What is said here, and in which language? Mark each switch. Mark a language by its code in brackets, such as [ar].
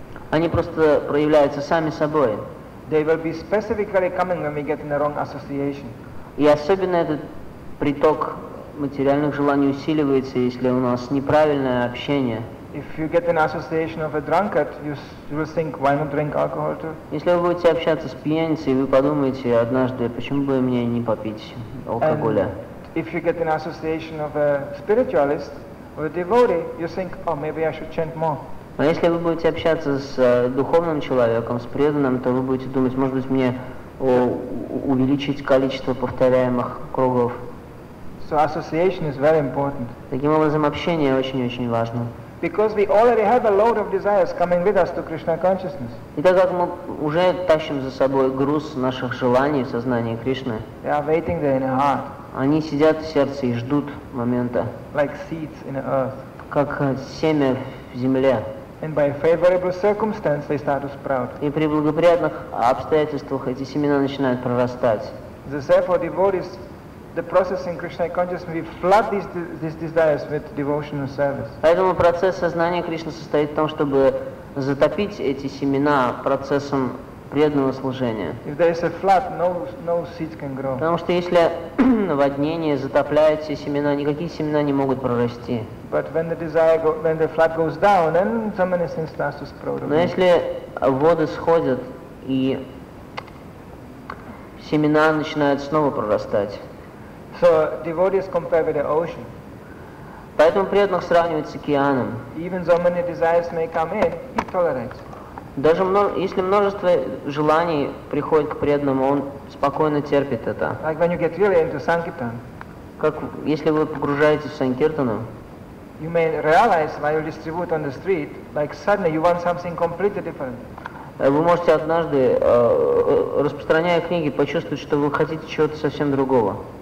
[ru] Они просто проявляются сами собой. [en] They will be specifically coming when we get in the wrong association. [ru] И особенно этот приток материальных желаний усиливается, если у нас неправильное общение. [en] If you get an association of a drunkard, you will think, why not drink alcohol too? [ru] Если вы будете общаться с пьяницей, вы подумаете однажды, почему бы мне не попить алкоголя? [en] And if you get an association of a spiritualist or a devotee, you think, oh, maybe I should chant more. [ru] Но если вы будете общаться с духовным человеком, с преданным, то вы будете думать, может быть, мне увеличить количество повторяемых кругов. [en] So association is very important. [ru] Таким образом, общение очень-очень важно. [en] Because we already have a load of desires coming with us to Krishna consciousness. [ru] И так как мы уже тащим за собой груз наших желаний в сознании Кришны. [en] They are waiting there in our heart. [ru] Они сидят в сердце и ждут момента. [en] Like seeds in the earth. [ru] Как семя в земле. [en] And by favorable circumstances they start to sprout. [ru] И при благоприятных обстоятельствах эти семена начинают прорастать. [en] Therefore, devotees, the process in Krishna consciousness, we flood these desires with devotional service. [ru] Поэтому процесс сознания Кришны состоит в том, чтобы затопить эти семена процессом преданного служения. [en] If there is a flood, no seeds can grow. [ru] Потому что если наводнение затопляет все семена, никакие семена не могут прорасти. [en] But when the desire when the flood goes down, then so many things start to sprout. [ru] Но если воды сходят и семена начинают снова прорастать. [en] So devotees compare with the ocean. [ru] Поэтому преданных сравнивают с океаном. [en] Even so many desires may come in, he tolerates. [ru] Даже если множество желаний приходит к преданному, он спокойно терпит это. [en] Like when you get really into sankirtan. [ru] Как если вы погружаетесь в санкиртану. [en] You may realize while you distribute on the street, like suddenly you want something completely different. [ru] Вы можете однажды, распространяя книги, почувствовать, что вы хотите чего-то совсем другого.